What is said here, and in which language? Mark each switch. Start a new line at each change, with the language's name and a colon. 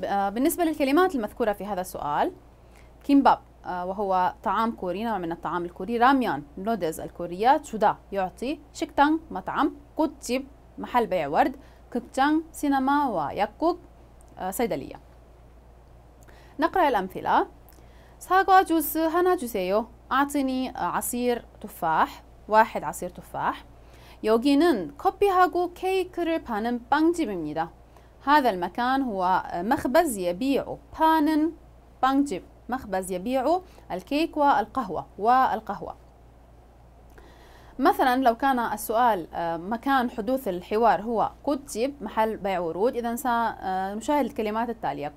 Arabic: بالنسبة للكلمات المذكورة في هذا السؤال، كيمباب وهو طعام كوري، نوع من الطعام الكوري، راميان نودز الكورية، تشودا يعطي، شيكتان مطعم، كوتشيب محل بيع ورد، كوكتان سينما، ويكوك صيدلية. نقرأ الأمثلة.
Korean: 사과 주스 하나 주세요.
Arabic: أعطني عصير تفاح، واحد عصير تفاح.
Korean: 여기는 커피하고 케이크를 파는 빵집입니다.
Arabic: هذا المكان هو مخبز يبيع، بانن بانجيب، مخبز يبيع الكيك والقهوة والقهوة. مثلا لو كان السؤال مكان حدوث الحوار هو كوتيب محل بيع ورود، إذن سنشاهد الكلمات التالية.